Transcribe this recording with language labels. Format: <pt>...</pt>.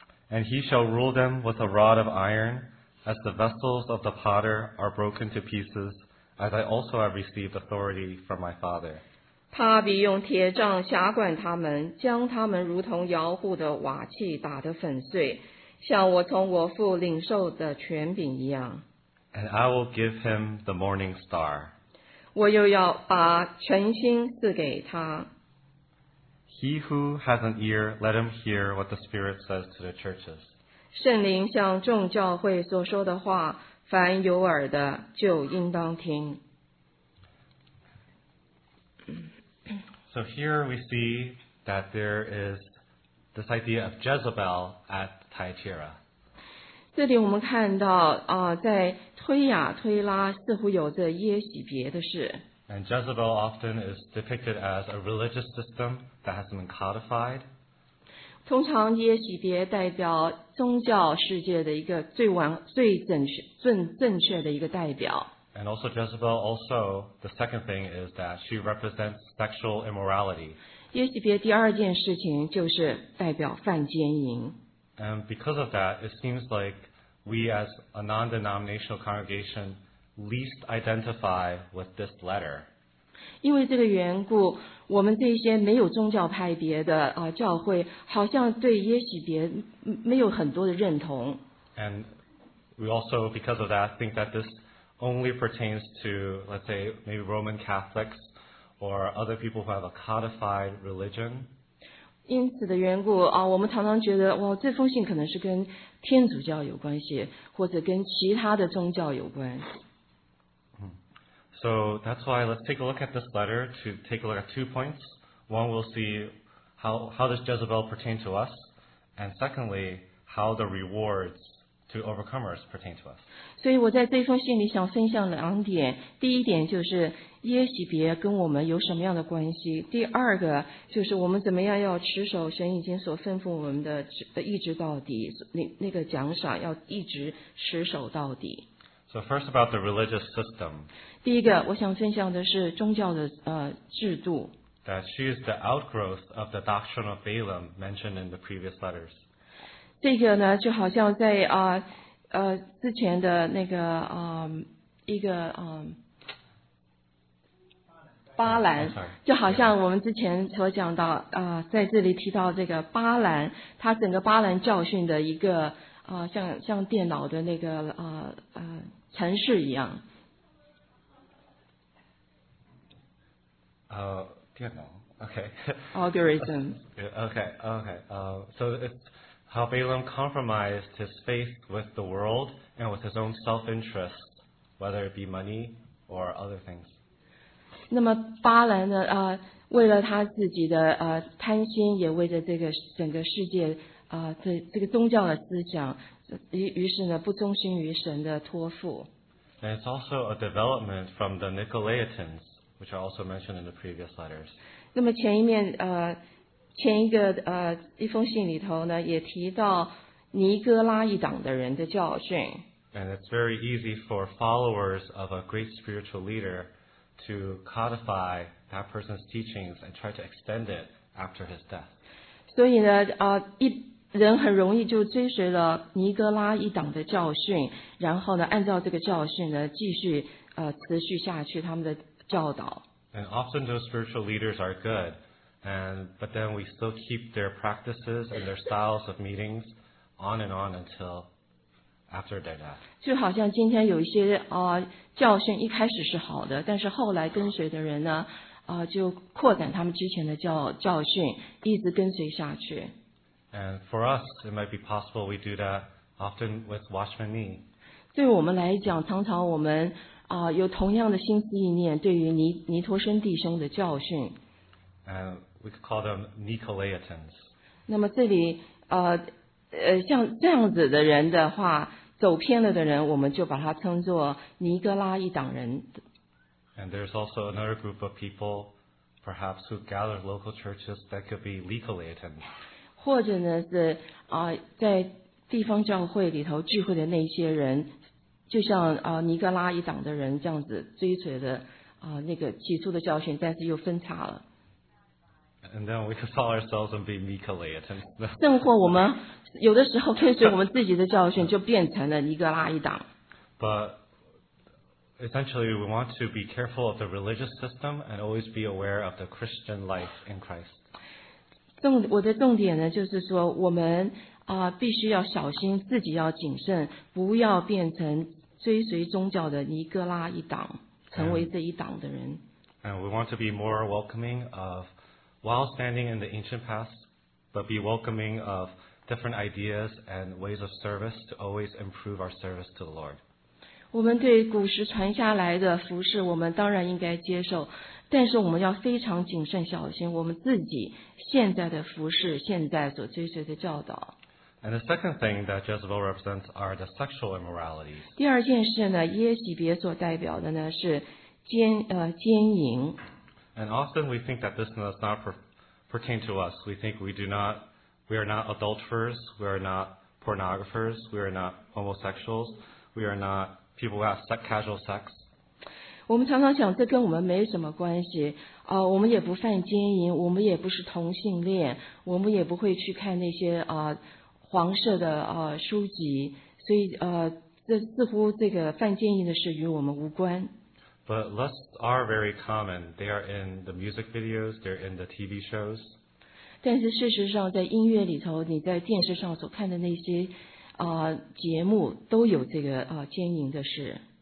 <en>And he shall rule them with a rod of iron, as the vessels of the potter are broken to pieces, as I also have received authority from my Father.</en> <zh>他必用铁杖辖管他们，将他们如同摇户的瓦器打得粉碎，像我从我父领受的权柄一样。</zh> <en>And I will give him the morning star.</en> <zh>我又要把全心赐给他。</zh> <en>He who has an ear, let him hear what the Spirit says to the churches.</en> <zh>圣灵向众教会所说的话，凡有耳的就应当听。</zh> <en>So here we see that there is this idea of Jezebel at Thyatira.</en> <zh>这里我们看到啊，在推雅推拉似乎有着耶洗别的事。</zh> <en>And Jezebel often is depicted as a religious system that has been codified.</en> <zh>通常耶洗别代表宗教世界的一个最正确的一个代表。</zh> <en>And also Jezebel also, the second thing is that she represents sexual immorality.</en> <zh>耶洗别第二件事情就是代表犯奸淫。</zh> <en>And because of that, it seems like we as a non-denominational congregation least identify with this letter.</en> <zh>因为这个缘故，我们这些没有宗教派别的教会，好像对耶洗别没有很多的认同。</zh> <en>And we also, because of that, think that this only pertains to, let's say, maybe Roman Catholics or other people who have a codified religion.</en> <zh>因此的缘故我们常常觉得哇，这封信可能是跟天主教有关系，或者跟其他的宗教有关。</zh> <en>So that's why let's take a look at this letter to take a look at two points. One, we'll see how does Jezebel pertain to us? And secondly, how the rewards to overcomers pertain to us.</en> <zh>所以我在这封信里想分享两点。第一点就是耶洗别跟我们有什么样的关系？第二个就是我们怎么样要持守神已经所吩咐我们的一直到底，那个奖赏要一直持守到底。</zh> <en>So first about the religious system.</en> <zh>第一个我想分享的是宗教的制度。</zh> <en>That she is the outgrowth of the doctrine of Balaam mentioned in the previous letters.</en> <zh>这个呢就好像在之前的那个一个巴兰，就好像我们之前所讲到在这里提到这个巴兰，他整个巴兰教训的一个像电脑的那个城市一样。电脑 ，OK。</zh> <en>Algorithm。 OK。 So it's how Balaam compromised his faith with the world and with his own self-interest, whether it be money or other things.</en> <zh>那么巴兰呢？为了他自己的贪心，也为着这个整个世界这个宗教的思想。于是呢，不忠心于神的托付。</zh> <en>And it's also a development from the Nicolaitans, which are also mentioned in the previous letters.</en> <zh>那么前一面前一个一封信里头呢，也提到尼哥拉一党的人的教训。</zh> <en>And it's very easy for followers of a great spiritual leader to codify that person's teachings and try to extend it after his death.</en> <zh>所以呢，人很容易就追随了尼哥拉一党的教训，然后呢，按照这个教训呢，继续持续下去他们的教导。</zh> <en>And often those spiritual leaders are good, but then we still keep their practices and their styles of meetings on and on until after their death.</en> <zh>就好像今天有一些教训一开始是好的，但是后来跟随的人呢，就扩展他们之前的教训，一直跟随下去。</zh> <en>And for us, it might be possible we do that often with Watchman Nee.</en> <zh>对我们来讲，常常我们有同样的心思意念，对于尼托生弟兄的教训。</zh> <en>And we could call them Nicolaitans.</en> <zh>那么这里像这样子的人的话，走偏了的人，我们就把他称作尼哥拉一党人。</zh> <en>And there's also another group of people, perhaps who gather local churches that could be Legalaitans.</en> <zh>或者呢是在地方教会里头聚会的那些人，就像尼哥拉一党的人这样子追随的那个起初的教训，但是又分叉了。</zh> <en>And then we could call ourselves and be Nicolaitans.</en> <zh>甚或我们有的时候跟随我们自己的教训，就变成了尼哥拉一党。</zh> <en>But essentially, we want to be careful of the religious system and always be aware of the Christian life in Christ.</en> <zh>我的重点呢，就是说我们必须要小心，自己要谨慎，不要变成追随宗教的尼哥拉一党，成为这一党的人。</zh> <en>And we want to be more welcoming of, while standing in the ancient past, but be welcoming of different ideas and ways of service to always improve our service to the Lord.</en> <zh>我们对古时传下来的服事，我们当然应该接受。但是我们要非常谨慎小心我们自己现在的服事，现在所追随的教导。</zh> <en>And the second thing that Jezebel represents are the sexual immoralities.</en> <zh>第二件事呢，耶洗别所代表的呢是奸淫。</zh> <en>And often we think that this does not pertain to us. We think we are not adulterers, we are not pornographers, we are not homosexuals, we are not people who have casual sex.</en> <zh>我们常常想这跟我们没什么关系我们也不犯奸淫，我们也不是同性恋，我们也不会去看那些黄色的书籍，所以这似乎这个犯奸淫的事与我们无关。</zh> <en>But lusts are very common. They are in the music videos, they're in the TV shows.</en> <zh>但是事实上在音乐里头，你在电视上所看的那些节目都有这个奸淫的事。</zh>